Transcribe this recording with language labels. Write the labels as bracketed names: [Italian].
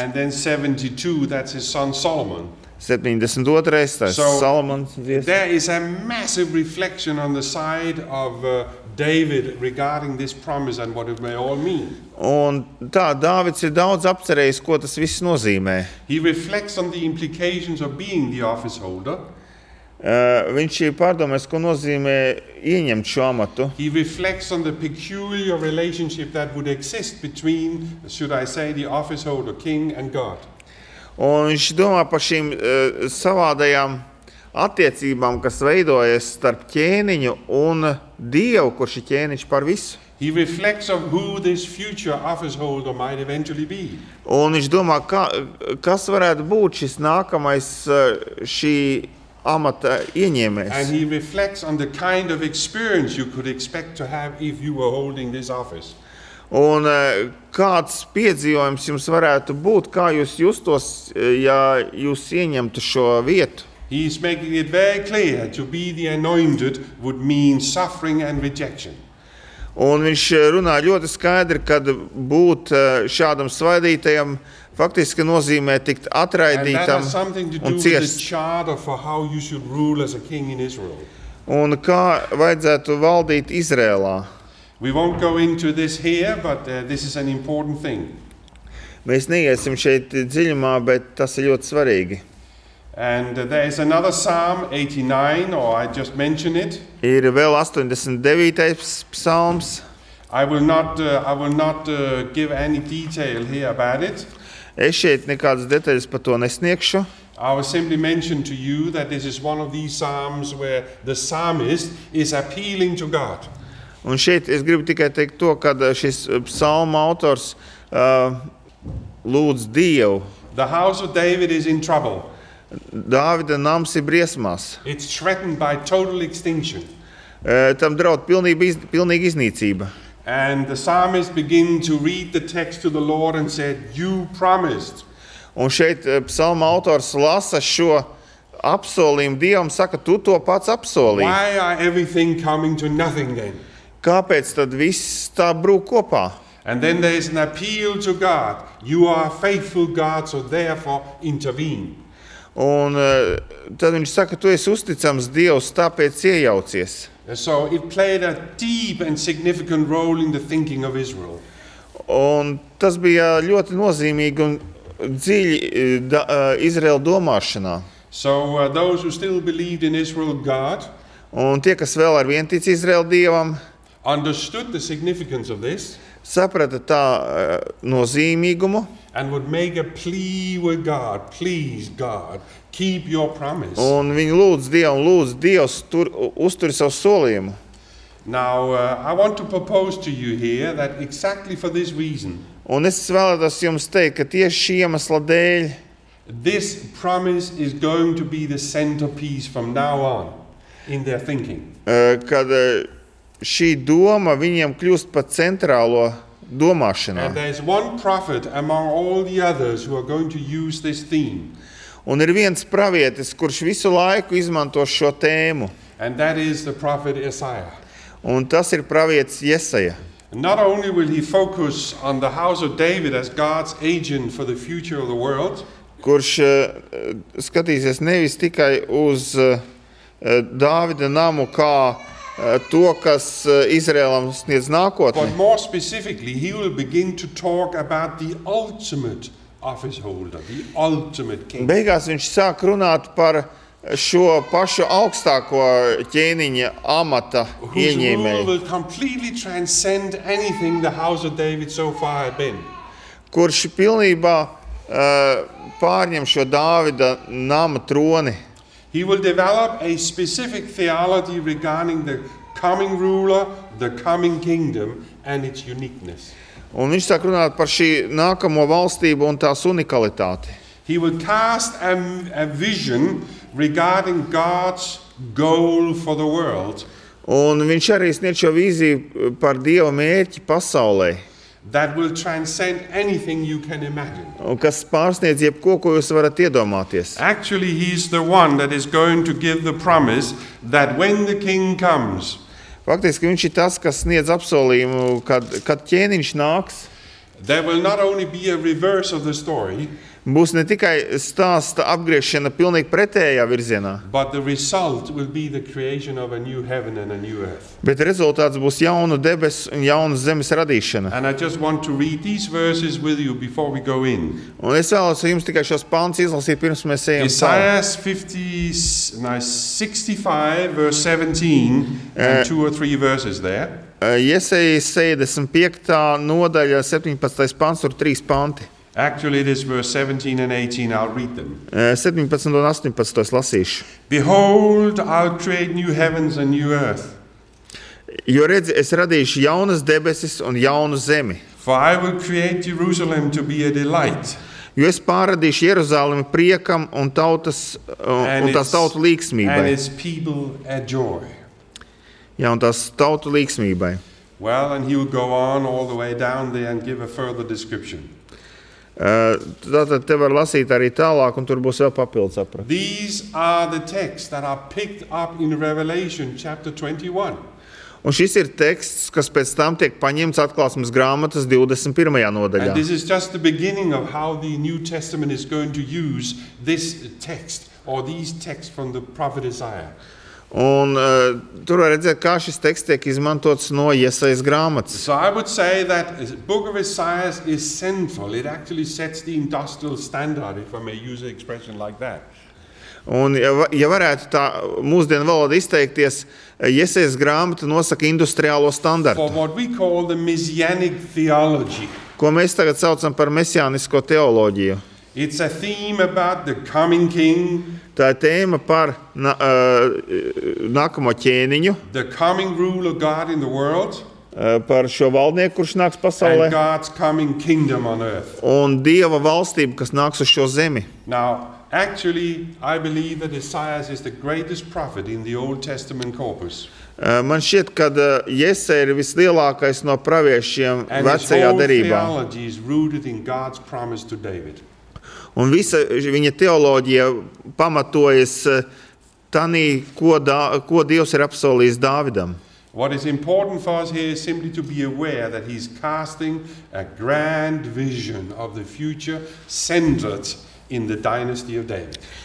[English] and then 72, that's his son Solomon. 72, that's Solomon's. There is a massive reflection on the side of David regarding this promise and what it may all mean. [Latvian] Un tā, Dāvids ir daudz apcerējis, ko tas viss nozīmē. [English] He reflects on the implications of being the office holder. [Latvian] Viņš ir pārdomājis, ko nozīmē ieņemt šo amatu. [English] He reflects on the peculiar relationship that would exist between, should I say, the office holder, king and God. [Latvian] Un viņš domā par šīm savādajām attiecībām, kas veidojas starp ķēniņu un Dievu, kurš ir ķēniņš par visu. [English] He reflects on who this future office holder might eventually be. [Latvian] Un viņš domā, kas varētu būt šis nākamais šī amata ieņēmējs. [English] And he reflects on the kind of experience you could expect to have if you were holding this office. [Latvian] Un kāds piedzīvojums jums varētu būt, kā jūs justos, ja jūs ieņemtu šo vietu? [English] He is making it very clear to be the anointed would mean suffering and rejection. [Latvian] Un viņš runā ļoti skaidri, kad būt šādam svaidītajam faktiski nozīmē tikt atraidītam un ciest. Un kā vajadzētu valdīt Izrēlā? [English] We won't go into this here, but this is an important thing. [Latvian] Mēs neiesim šeit dziļumā, bet tas ir ļoti svarīgi. [English] And there is another Psalm 89, or I just mentioned it. [Latvian] Ir vēl 89. Psalms. [English] I will not give any detail here about it. [Latvian] Es šeit nekādas detaļas par to nesniegšu. [English] I will simply mention to you that this is one of these Psalms where the psalmist is appealing to God. [Latvian] Un šeit es gribu tikai teikt to, kad šis psalma autors lūdz Dievu. [English] The house of David is in trouble. [Latvian] Dāvida nams ir briesmās. [English] It's threatened by total extinction. [Latvian] Tam draud pilnīga iznīcība. [English] And the psalmist begin to read the text to the Lord and said, you promised. [Latvian] Un šeit psalma autors lasa šo apsolījumu Dievam, saka, tu to pats apsolīji. [English] Why are everything coming to nothing then? [Latvian] Kāpēc tad viss tā brūk kopā? [English] And then there is an appeal to God. You are a faithful God, so therefore intervene. [Latvian] Un tad viņš saka, tu esi uzticams Dievs, tāpēc iejaucies. [English] So it played a deep and significant role in the thinking of Israel. [Latvian] Un tas bija ļoti nozīmīgi un dziļi Izraela domāšanā. [English] So those who still believed in Israel God. [Latvian] Un tie, kas vēl ar vien tic Izraela Dievam, [English] understood the significance of this. [Latvian] Saprata tā nozīmīgumu. [English] And would make a plea with God, please God, keep your promise. [Latvian] Un viņi lūdz Dievu, lūdz Dievs uzturi savu solījumu. [English] Now I want to propose to you here that exactly for this reason. [Latvian] Un es vēlētos jums teikt, ka tieši šī iemesla dēļ [English] this promise is going to be the centerpiece from now on in their thinking. [Latvian] Kad šī doma viņiem kļūst par centrālo domāšanā. [English] And there is one prophet among all the others who are going to use this theme. [Latvian] Un ir viens pravietis, kurš visu laiku izmanto šo tēmu. [English] And that is the prophet Isaiah. [Latvian] Un tas ir pravietis Jesaja. [English] Not only will he focus on the house of David as God's agent for the future of the world, [Latvian] kurš skatīsies nevis tikai uz Dāvida namu kā to, kas Izraēlam sniedz nākotni. [English] But more specifically, he will begin to talk about the ultimate office holder, the ultimate king. [Latvian] Beigās viņš sāk runāt par šo pašu augstāko ķēniņa amata ieņēmēju. [English] Who will completely transcend anything the house of David so far had been. [Latvian] Kurš pilnībā pārņem šo Dāvida nama troni. [English] He will develop a specific theology regarding the coming ruler, the coming kingdom and its uniqueness. [Latvian] Un viņš sāk runāt par šī nākamo valstību un tās unikalitāti. [English] He will cast a vision regarding God's goal for the world. [Latvian] Un viņš arī sniedz šo vīziju par Dieva mērķi pasaulē. [English] That will transcend anything you can imagine. [Latvian] Un kas pārsniedz jebko, ko jūs varat iedomāties. [English] Actually, he is the one that is going to give the promise that when the king comes. [Latvian] Faktiski, viņš ir tas, kas sniedz apsolījumu, kad ķēniņš nāks. [English] There will not only be a reverse of the story. [Latvian] Būs ne tikai stāsta apgriešana pilnīgi pretējā virzienā. [English] But the result will be the creation of a new heaven and a new earth. [Latvian] Bet rezultāts būs jauna debes un jauna zemes radīšana. [English] And I just want to read these verses with you before we go in. [Latvian] Un es vēlos jums tikai šos pāns izlasīt pirms mēs ejam tālāk. [English] Isaiah 65 verse 17 and two or three verses there. [Latvian] Jesaja 65. Nodaļa 17. Pāns, tur trīs panti. [English] Actually, it is verse 17 and 18. I'll read them. [Latvian] 17 un 18 es lasīšu. [English] Behold, I'll create new heavens and new earth. [Latvian] Jo redzi, es radīšu jaunas debesis un jaunu zemi. [English] For I will create Jerusalem to be a delight. [Latvian] Jo es pārradīšu Jeruzalemi priekam un tautas un tās tautu līksmībai. [English] And its people a joy. [Latvian] Ja, un tās tautu līksmībai. [English] Well, and he will go on all the way down there and give a further description. [Latvian] Tātad te var lasīt arī tālāk, un tur būs vēl papildus aprakts. [English] These are the texts that are picked up in Revelation chapter 21. [Latvian] Un šis ir teksts, kas pēc tam tiek paņemts atklāsmes grāmatas 21. Nodaļā. [English] And this is just the beginning of how the New Testament is going to use this text or these texts from the prophet Isaiah. [Latvian] Un tur var redzēt, kā šis teksts tiek izmantots no Jesajas grāmatas. [English] So I would say that Book of Isaiah is central. It actually sets the industrial standard, if I may use an expression like that. [Latvian] Un ja varētu tā mūsdienu valodu izteikties, Jesajas grāmata nosaka industriālo standartu. [English] For what we call the messianic theology. [Latvian] Ko mēs tagad saucam par mesiānisko teoloģiju. [English] It's a theme about the coming king. [Latvian] Tā ir tēma par nākamo ķēniņu. [English] The coming rule of God in the world. [Latvian] Par šo valdnieku, kurš nāks pasaulē. [English] And God's coming kingdom on earth. [Latvian] Un Dieva valstība, kas nāks uz šo zemi. [English] Now, actually, I believe that Isaiah is the greatest prophet in the Old Testament corpus. [Latvian] Man šķiet, ka Jesaja ir vislielākais no praviešiem vecajā derībā. [English] And his whole theology is rooted in God's promise to David. [Latvian] Un visa viņa teoloģija pamatojas tanī, ko Dievs ir apsolījis Dāvidam. [English] What is important for us here is simply to be aware that he's casting a grand vision of the future centered in the dynasty of David.